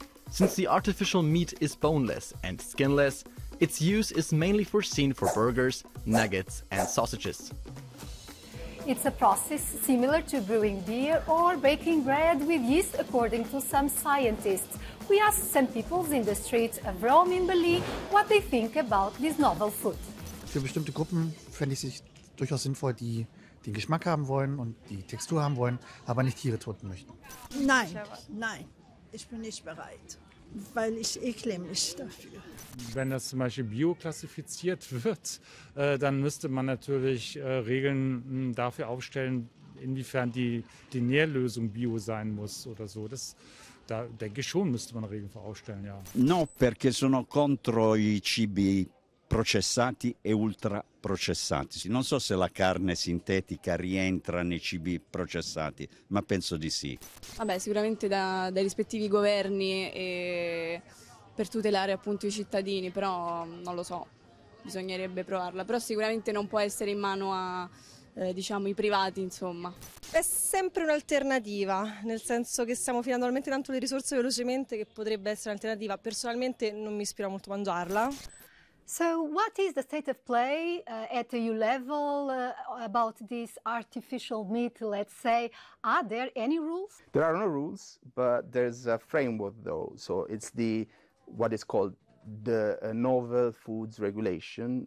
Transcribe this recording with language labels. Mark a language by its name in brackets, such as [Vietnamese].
[English] Since the artificial meat is boneless and skinless, its use is mainly foreseen for burgers, nuggets, and sausages. It's a process similar to brewing beer or baking bread with yeast, according to some scientists. We asked some people in the streets of Rome in Berlin what they think about this novel food. [German] Für bestimmte Gruppen fände ich es durchaus sinnvoll, die den Geschmack haben wollen und die Textur haben wollen, aber nicht Tiere töten möchten. Nein, nein, ich bin nicht bereit, weil ich ekle mich dafür. Wenn das zum Beispiel bioklassifiziert wird, dann müsste man natürlich Regeln dafür aufstellen, inwiefern die Nährlösung bio sein muss oder so. Das, da denke ich schon, müsste man Regeln für aufstellen, ja. [Italian] No, perché sono contro i cibi processati e ultraprocessati. Non so se la carne sintetica rientra nei cibi processati, ma penso di sì. Vabbè, sicuramente dai rispettivi governi e per tutelare appunto i cittadini, però non lo so, bisognerebbe provarla. Però sicuramente non può essere in mano a, diciamo, i privati, insomma. È sempre un'alternativa, nel senso che stiamo finendo talmente tanto le risorse velocemente che potrebbe essere un'alternativa. Personalmente non mi ispira molto a mangiarla. [English] So what is the state of play at the EU level about this artificial meat, let's say? Are there any rules? There are no rules, but there's a framework though. So it's the what is called the novel foods regulation.